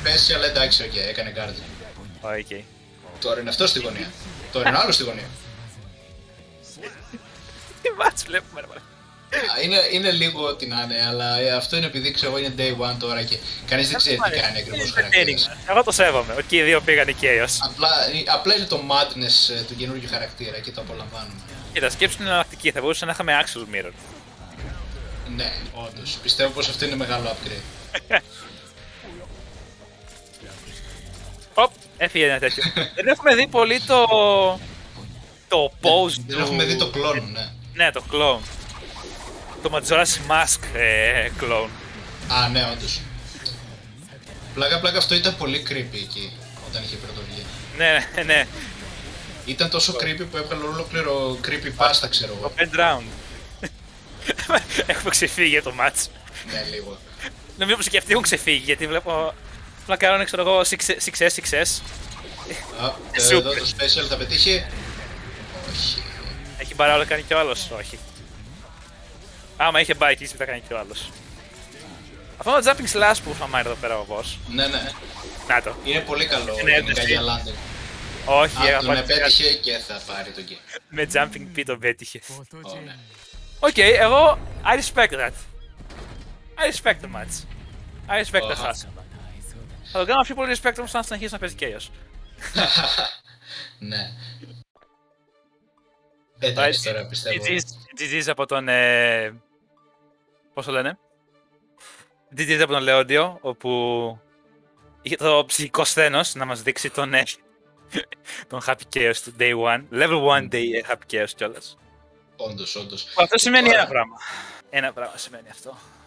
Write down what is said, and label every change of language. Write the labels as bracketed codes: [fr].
[el] Special, εντάξει, okay, έκανε guarding. [en] Oh, okay. [el] Τώρα είναι αυτό στη γωνία. Τώρα είναι άλλο στη γωνία. Τι μάτς βλέπουμε, ρε παρακαλώ. Είναι λίγο ότι να είναι, αλλά αυτό είναι επειδή ξέρω εγώ είναι day one τώρα και κανείς δεν ξέρει τι κάνει ακριβώς χαρακτήρας. Εγώ το σέβομαι, ότι οι δύο πήγαν οι Chaos. Απλά είναι το madness του καινούργιου χαρακτήρα και το απολαμβάνουμε. Κοίτα, σκέψου την εναλλακτική, θα μπορούσε να είχαμε Axios Mirror. Ναι, όντως, πιστεύω πως αυτό είναι μεγάλο upgrade. Οπ, έφυγε ένα τέτοιο. Δεν έχουμε δει πολύ το pose του. Δεν έχουμε δει το clone, ναι. Ναι, το clone. Το Majora's Mask clone. Α, ναι, όντως. Πλάκα, αυτό ήταν πολύ creepy εκεί, όταν είχε πρωτοβγεί. Ναι. Ήταν τόσο creepy που έβγαλε ολόκληρο creepy pasta, ξέρω εγώ. [en] Open round. [el] Έχουμε ξεφύγει για το match. Ναι, λίγο. Νομίζω πως και αυτοί έχουν ξεφύγει, γιατί βλέπω... Απλά κάνουν, ξέρω εγώ, 6S. Εδώ το special θα πετύχει. Όχι. Έχει μπαρά όλα κάνει κι ο άλλος, όχι. Άμα είχε μπάει και θα κάνει και ο άλλος. Αυτό είναι το jumping slash που είχαμε εδώ πέρα ο boss. Ναι. Να το. Είναι πολύ καλό, είναι γενικά για landing. Όχι, α, τον επέτυχε και θα πάρει το game. Με jumping P τον πέτυχε. Oh, ναι. [en] Okay, [el] εγώ, [en] I respect that. I respect the match. [el] Oh, θα τον κάνω πιο πολύ respect όμως αν συνεχίσει να παίζει Chaos. Ναι. Εντάξει τώρα πιστεύω. GG's από τον... πώς το λένε? GG's από τον Λεόντιο, όπου... είχε το ψυχικό σθένος να μας δείξει τον Happy Chaos του Day 1. Level 1 Day Happy Chaos κιόλας. Όντως. Αυτό σημαίνει ένα πράγμα. Ένα πράγμα σημαίνει αυτό.